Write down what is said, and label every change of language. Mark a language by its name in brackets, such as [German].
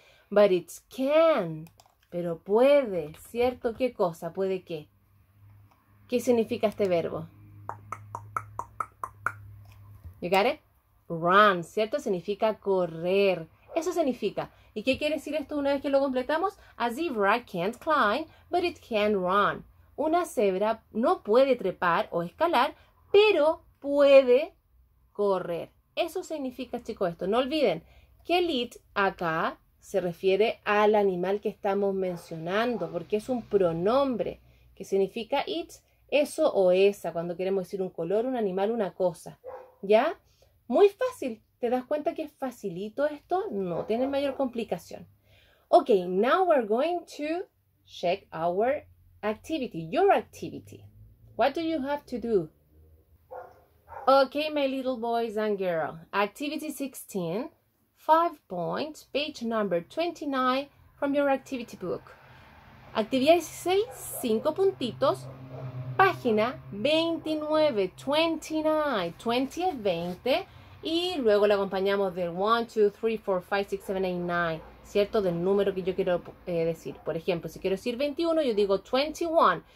[English] But it can, [Spanish] pero puede, ¿cierto? ¿Qué cosa? ¿Puede qué? ¿Qué significa este verbo? [English] You got it? Run, [Spanish] ¿cierto? Significa correr. Eso significa. ¿Y qué quiere decir esto una vez que lo completamos? [English] A zebra can't climb, but it can run. [Spanish] Una cebra no puede trepar o escalar, pero puede correr. Eso significa, chicos, esto. No olviden que el it acá se refiere al animal que estamos mencionando, porque es un pronombre. ¿Qué significa it? Eso o esa, cuando queremos decir un color, un animal, una cosa. ¿Ya? Muy fácil. ¿Te das cuenta que es facilito esto? No tiene mayor complicación. [English] Ok, now we're going to check our activity, your activity. What do you have to do? Ok, my little boys and girls. Activity 16, 5 points, page number 29 from your activity book. [Spanish] Actividad 16, 5 puntitos. Página 29, 29, 20 es 20, y luego la acompañamos del 1, 2, 3, 4, 5, 6, 7, 8, 9, ¿cierto? Del número que yo quiero decir. Por ejemplo, si quiero decir 21, yo digo 21.